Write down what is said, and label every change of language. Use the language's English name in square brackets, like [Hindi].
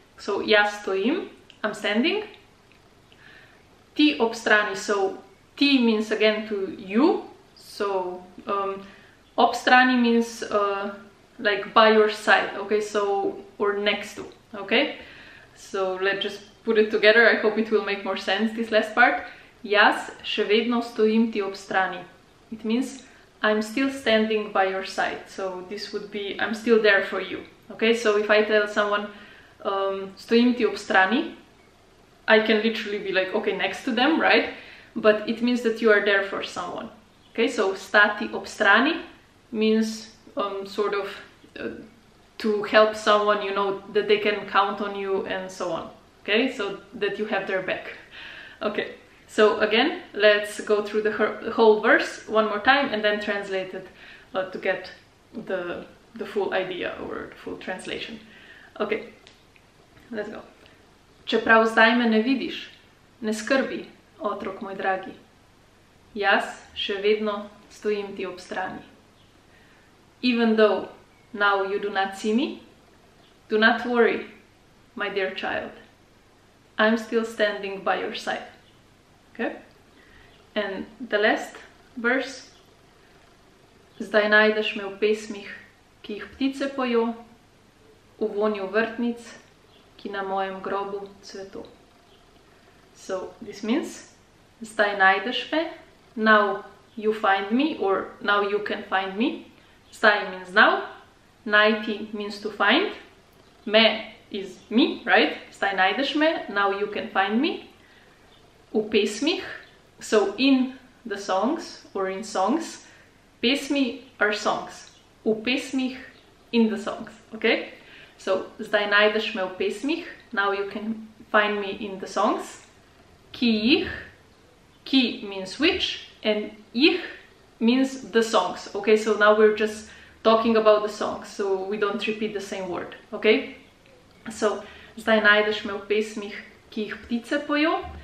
[Slovenian] So, jaz stojim. [English] I'm standing. [Slovenian] Ti ob strani. [English] So, ti means again to you. So, ob strani means like by your side. Okay, so, or next to. Okay? So, let's just put it together. I hope it will make more sense, this last part. [Slovenian] Jaz še vedno stojim ti ob strani. [English] It means, I'm still standing by your side. So this would be, I'm still there for you. Okay, so if I tell someone, [Slovenian] stojim ti ob strani, [English] I can literally be like, okay, next to them, right? But it means that you are there for someone. Okay, so [Slovenian] stati ob strani [English] means sort of to help someone, you know, that they can count on you and so on. Okay, so that you have their back. Okay, so again, let's go through the whole verse one more time and then translate it to get the full idea or the full translation. Okay, let's go. [Slovenian] Čeprav zdaj me ne vidiš, ne skrbi, otrok moj dragi. Jaz še vedno stojim ti ob strani. [English] Even though now you do not see me, do not worry, my dear child. I'm still standing by your side. Okay? And the last verse. [Slovenian] Zdaj najdeš me v pesmih, ki jih ptice pojo, v vonju vrtnic, ki na mojem grobu cveto. [English] So, this means, [Slovenian] zdaj najdeš me, [English] now you find me, or now you can find me. Zdaj means now, najti means to find, me is me, right? [Slovenian] Zdaj najdeš me, [English] now you can find me. [Slovenian] V pesmih, [English] so in the songs, or in songs. Pesmi are songs. [Slovenian] V pesmih, [English] in the songs, okay? So, [Slovenian] zdaj najdeš me v pesmih, [English] now you can find me in the songs. [Slovenian] Ki jih, [English] ki means which, and jih means the songs, okay? So now we're just talking about the songs, so we don't repeat the same word, okay? [Slovenian] So, zdaj najdeš me v pesmih, ki jih ptice pojo.